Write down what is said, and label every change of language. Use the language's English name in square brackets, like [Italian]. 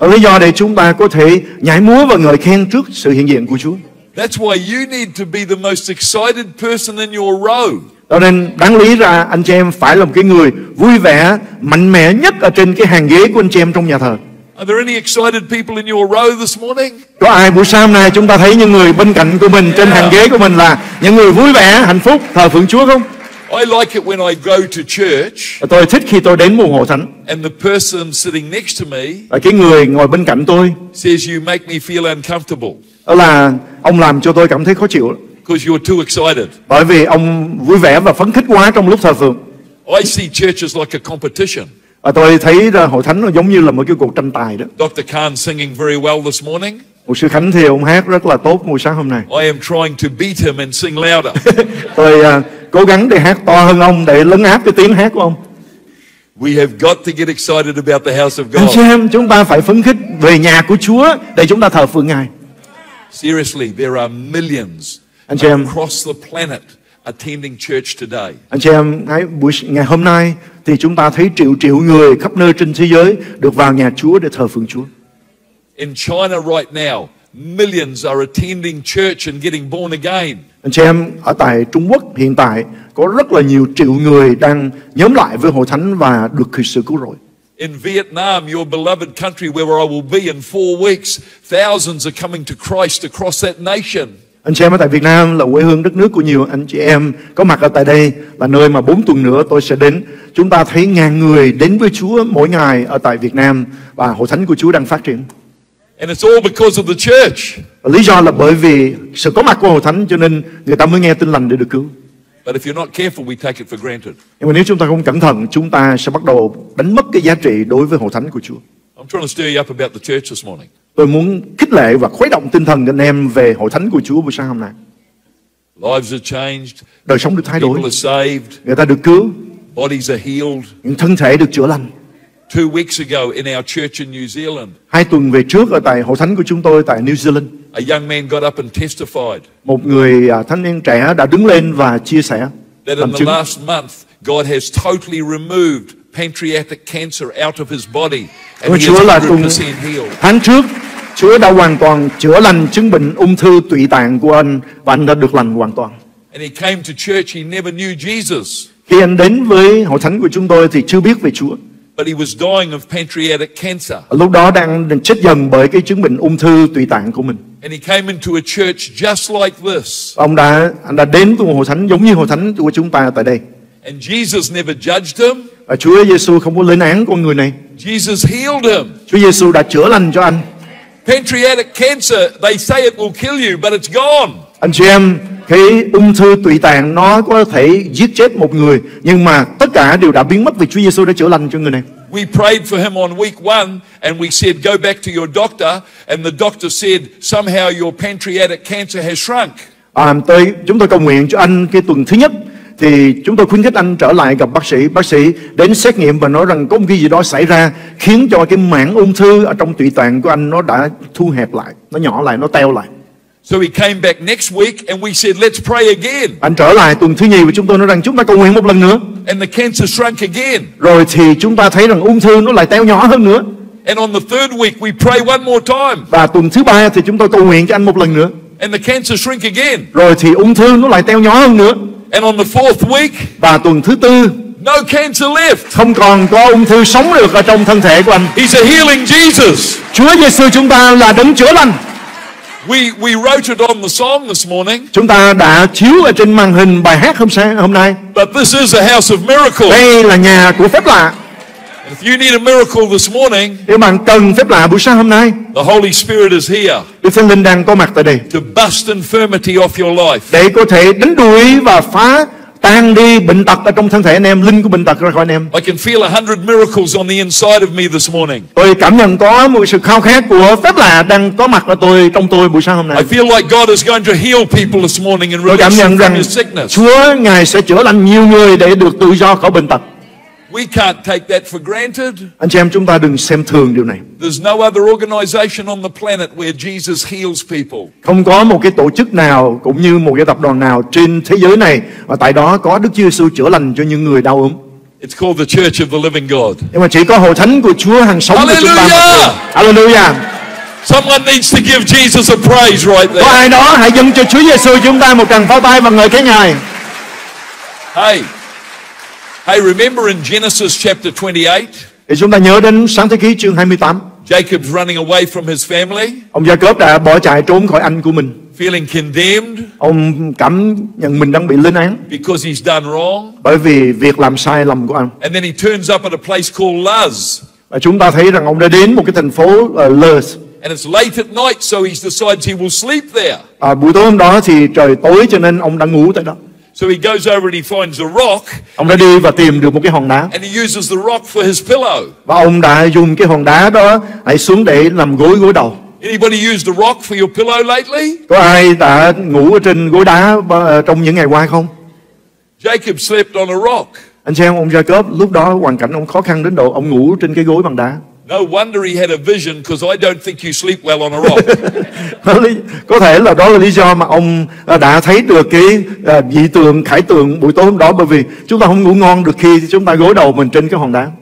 [Vietnamese] Đó là lý do để chúng ta có thể nhảy múa và ngợi khen trước sự hiện diện của Chúa. [English] That's why you need to be the most excited person in your row. [Vietnamese] Đó nên đáng lý ra anh chị em phải là một cái người vui vẻ, mạnh mẽ nhất ở trên cái hàng ghế của anh chị em trong nhà thờ. [English] Are there any excited people in your row this morning? [Vietnamese] Có ai buổi sáng này chúng ta thấy những người bên cạnh của mình, yeah, trên hàng ghế của mình là những người vui vẻ, hạnh phúc, thờ phượng Chúa không? [English] I like it when I go to church. [Vietnamese] Tôi thích khi tôi đến một hội thánh. [English] And the person sitting next to me. [Vietnamese] Và cái người ngồi bên cạnh tôi. [English] Says you make me feel uncomfortable. [Vietnamese] Đó là ông làm cho tôi cảm thấy khó chịu. [English] Because you're too excited. [Vietnamese] Bởi vì ông vui vẻ và phấn khích quá trong lúc thờ phượng. [English] I see churches like a competition. [Vietnamese] Và tôi thấy hội thánh nó giống như là một cái cuộc tranh tài đó. [English] Dr. Khan singing very well this morning. [Vietnamese] Mục sư Khánh thì ông hát rất là tốt buổi sáng hôm nay. [English] I am trying to beat him and sing louder. [Vietnamese] Tôi cố gắng để hát to hơn ông, để lấn áp cái tiếng hát của ông. [English] We have got to get excited about the house of God. [Vietnamese] Anh chị em, chúng ta phải phấn khích về nhà của Chúa để chúng ta thờ phượng Ngài. [English] Seriously, there are millions across the planet attending church today. [Vietnamese] Anh chị em, ngày hôm nay thì chúng ta thấy triệu triệu người khắp nơi trên thế giới được vào nhà Chúa để thờ phượng Chúa. [English] In China right now, millions are attending church and getting born again. [Vietnamese] Anh chị em, ở tại Trung Quốc hiện tại có rất là nhiều triệu người đang nhóm lại với hội thánh và được sự cứu rỗi. [English] In Vietnam, your beloved country where I will be in 4 weeks, thousands are coming to Christ across that nation. [Vietnamese] Anh chị em ở tại Việt Nam là quê hương đất nước của nhiều anh chị em có mặt ở tại đây, là nơi mà 4 tuần nữa tôi sẽ đến. Chúng ta thấy ngàn người đến với Chúa mỗi ngày ở tại Việt Nam và hội thánh của Chúa đang phát triển. [English] And it's all because of the church. [Vietnamese] Lý do là bởi vì sự có mặt của hội thánh cho nên người ta mới nghe tin lành để được cứu. [English] But if you're not careful, we take it for granted. [Vietnamese] Nhưng mà nếu chúng ta không cẩn thận, chúng ta sẽ bắt đầu đánh mất cái giá trị đối với hội thánh của Chúa. [English] I'm trying to stir you up about the church this morning. [Vietnamese] Tôi muốn khích lệ và khuấy động tinh thần anh em về hội thánh của Chúa buổi sáng hôm nay. [English] Lives are changed. [Vietnamese] Đời sống được thay đổi. [English] People are saved. [Vietnamese] Người ta được cứu. [English] Bodies are healed. [Vietnamese] Những thân thể được chữa lành. [English] 2 weeks ago in our church in New Zealand. [Vietnamese] 2 tuần về trước ở tại hội thánh của chúng tôi tại New Zealand. [English] A young man got up and testified. [Vietnamese] Một người thanh niên trẻ đã đứng lên và chia sẻ. [English] That in the last month, God has totally removed pancreatic cancer out of his body, and he is 100% healed. [Vietnamese] Tháng trước, Chúa đã hoàn toàn chữa lành chứng bệnh ung thư tụy tạng của anh và anh đã được lành hoàn toàn. [English] And he came to church. He never knew Jesus. [Vietnamese] Khi anh đến với hội thánh của chúng tôi thì chưa biết về Chúa. [English] But he was dying of pancreatic cancer. [Vietnamese] Lúc đó đang chết dần bởi cái chứng bệnh ung thư tụy tạng của mình. [English] And he came into a church just like this. [Vietnamese] Anh đã đến từ một hội thánh giống như hội thánh của chúng ta tại đây. [English] And Jesus never judged him. [Vietnamese] Và Chúa Giêsu không có lên án con người này. [English] Jesus healed him. [Vietnamese] Chúa Giêsu đã chữa lành cho anh. [English] Pancreatic cancer, they say it will kill you, but it's gone. [Vietnamese] Anh chị em, cái ung thư tụy tạng nó có thể giết chết một người, nhưng mà tất cả đều đã biến mất vì Chúa Giêsu đã chữa lành cho người này. [English] We prayed for him on week one and we said go back to your doctor and the doctor said somehow your pancreatic cancer has shrunk. [Vietnamese] Chúng tôi cầu nguyện cho anh cái tuần thứ nhất thì chúng tôi khuyến khích anh trở lại gặp bác sĩ đến xét nghiệm và nói rằng có một cái gì đó xảy ra khiến cho cái mảng ung thư ở trong tụy tạng của anh nó đã thu hẹp lại, nó nhỏ lại, nó teo lại. [English] So he came back next week and we said let's pray again. [Vietnamese] Anh trở lại tuần thứ nhì và chúng tôi nói rằng chúng ta cầu nguyện một lần nữa. [English] And the cancer shrunk again. [Vietnamese] Rồi thì chúng ta thấy rằng ung thư nó lại teo nhỏ hơn nữa. [English] And on the third week we pray one more time. [Vietnamese] Và tuần thứ ba thì chúng tôi cầu nguyện cho anh một lần nữa. [English] And the cancer shrunk again. [Vietnamese] Rồi thì ung thư nó lại teo nhỏ hơn nữa. [English] And on the fourth week. [Vietnamese] Và tuần thứ tư. [English] No cancer left. [Vietnamese] Không còn có ung thư sống được ở trong thân thể của anh. [English] He's a healing Jesus. [Vietnamese] Chúa Giêsu chúng ta là đấng chữa lành. [English] We wrote it on the song this morning. [Vietnamese] Chúng ta đã chiếu ở trên màn hình bài hát hôm nay. [English] But this is a house of miracles. [Vietnamese] Đây là nhà của phép lạ. [English] If you need a miracle this morning, [Vietnamese] nếu bạn cần phép lạ buổi sáng hôm nay, [English] the Holy Spirit is here. [Vietnamese] Đức Thánh Linh đang có mặt tại đây. [English] To bust infirmity off your life. [Vietnamese] Để có thể đánh đuổi và phá tan đi bệnh tật ở trong thân thể anh em, linh của bệnh tật ra khỏi anh em. [English] I can feel 100 miracles on the inside of me this morning. [Vietnamese] Tôi cảm nhận có một sự khao khát của phép lạ đang có mặt ở tôi trong tôi buổi sáng hôm nay. [English] I feel like God is going to heal people this morning and release sickness. [Vietnamese] Tôi cảm nhận rằng Chúa Ngài sẽ chữa lành nhiều người để được tự do khỏi bệnh tật. [English] We can't take that for granted. [Vietnamese] Anh chị em, chúng ta đừng xem thường điều này. [English] There's no other organization on the planet where Jesus heals people. [Vietnamese] Không có một cái tổ chức nào cũng như một cái tập đoàn nào trên thế giới này mà tại đó có Đức Chúa Giêsu chữa lành cho những người đau ốm. [English] It's called the Church of the Living God. [Vietnamese] Nhưng mà chỉ có hội thánh của Chúa hằng sống của chúng ta. Hallelujah. [English] Someone needs to give Jesus a praise right there. [Vietnamese] Có ai đó hãy dâng cho Chúa Giêsu chúng ta một tràng pháo tay và ngợi khen Ngài. [English] Hey, remember in Genesis chapter 28? [Vietnamese] Thì chúng ta nhớ đến Sáng Thế Ký chương 28. [English] Jacob's running away from his family. [Vietnamese] Ông Jacob đã bỏ chạy trốn khỏi anh của mình. [English] Feeling condemned. [Vietnamese] Ông cảm nhận mình đang bị lên án. [English] Because he's done wrong. [Vietnamese] Bởi vì việc làm sai lầm của anh. [English] And then he turns up at a place called Luz. [Vietnamese] Và chúng ta thấy rằng ông đã đến một cái thành phố Luz. [English] And it's late at night, so he decides he will sleep there. [Vietnamese] Buổi tối hôm đó thì trời tối cho nên ông đã ngủ tại đó. [English] So he goes over and he finds a rock. [Vietnamese] Ông đã đi và tìm được một cái hòn đá. [English] And he uses the rock for his pillow. [Vietnamese] Và ông đã dùng cái hòn đá đó hãy xuống để nằm gối đầu. [English] Anybody used the rock for your pillow lately? [Vietnamese] Có ai đã ngủ ở trên gối đá trong những ngày qua không? [English] Jacob slept on a rock. [Vietnamese] Anh xem ông Jacob lúc đó hoàn cảnh ông khó khăn đến độ ông ngủ trên cái gối bằng đá. [English] No wonder he had a vision, because I don't think you sleep well on a rock. [Vietnamese] Có thể là đó là lý do mà ông đã thấy được cái dị tượng, khải tượng buổi tối hôm đó, bởi vì chúng ta không ngủ ngon được khi chúng ta gối đầu mình trên cái hòn đá.